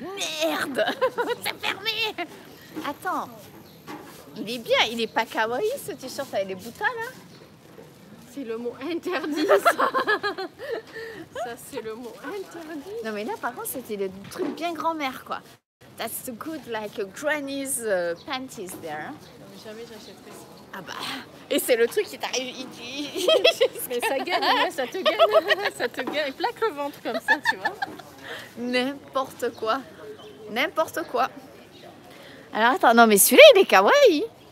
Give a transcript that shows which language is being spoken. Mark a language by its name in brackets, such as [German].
[French] Merde. C'est fermé. Attends. Il est bien. Il est pas kawaii ce t-shirt avec les boutons là. C'est le mot interdit ça. Ça c'est le mot interdit. Non mais là par contre c'était le truc bien grand-mère quoi. [English] That's the good like a granny's panties there. [French] Non, jamais j'achèterais ça. Ah bah, et c'est le truc qui t'arrive, il dit... Mais ça gagne, ça te gagne, ça te gagne, il plaque le ventre comme ça, tu vois. N'importe quoi, n'importe quoi. Alors attends, non mais celui-là il est kawaii.